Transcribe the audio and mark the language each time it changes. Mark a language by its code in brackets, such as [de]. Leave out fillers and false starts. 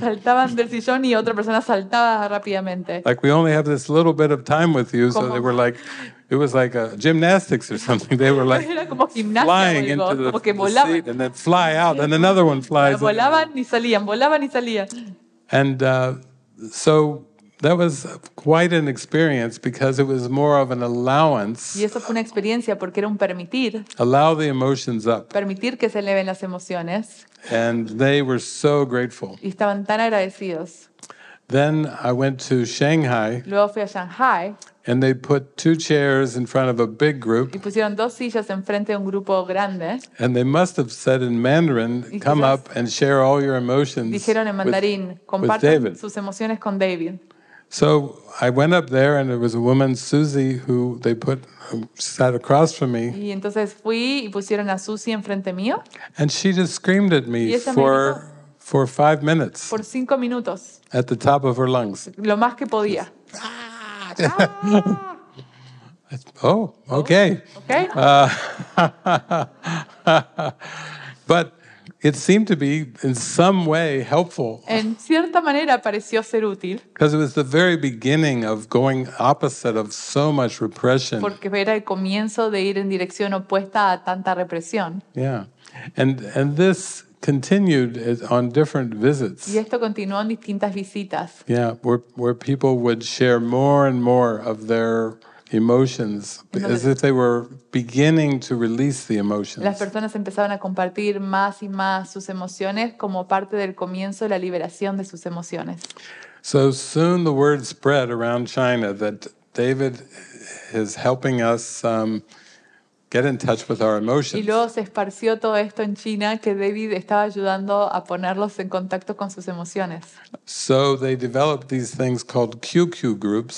[es] Saltaban del sillón y otra persona saltaba rápidamente. [en] Like, "We only have this little bit of time with you." [es] ¿Cómo? [en] So they were like, it was like a gymnastics or something. They were like flying into the seat and then fly out and another one flies. [es] Volaban y salían, volaban y salían. [en] And so that was quite an experience because it was more of an allowance. [es] Y eso fue una experiencia porque era un permitir. [en] Allow the emotions up. [es] Permitir que se eleven las emociones. [en] And they were so grateful. [es] Y estaban tan agradecidos. [en] Then I went to Shanghai. [es] Luego fui a Shanghai. [en] And they put two chairs in front of a big group. [es] Y pusieron dos sillas enfrente de un grupo grande. [en] And they must have said in Mandarin, come up and share all your emotions. [es] Dijeron en mandarín, compartan sus emociones con David. [en] So I went up there and there was a woman, Susie, who they put sat across from me. [es] Y entonces fui y pusieron a Susie enfrente mío. [en] And she just screamed at me for 5 minutes. [es] Por 5 minutos. [en] At the top of her lungs. [es] Lo más que podía. [en] Oh, okay. Okay. but it seemed to be in some way helpful. [es] En cierta manera pareció ser útil. [en] Because it was the very beginning of going opposite of so much repression. [es] Porque era el comienzo de ir en dirección opuesta a tanta represión. [en] Yeah. And this continued on different visits. [es] Y esto continuó en distintas visitas. [en] Yeah, where people would share more and more of their emotions, entonces, as if they were beginning to release the emotions. [es] Las personas empezaban a compartir más y más sus emociones como parte del comienzo de la liberación de sus emociones. [en] So soon the word spread around China that David is helping us get in touch with our emotions. [es] Y luego se esparció todo esto en China que David estaba ayudando a ponerlos en contacto con sus emociones. [en] So they developed these things called QQ groups.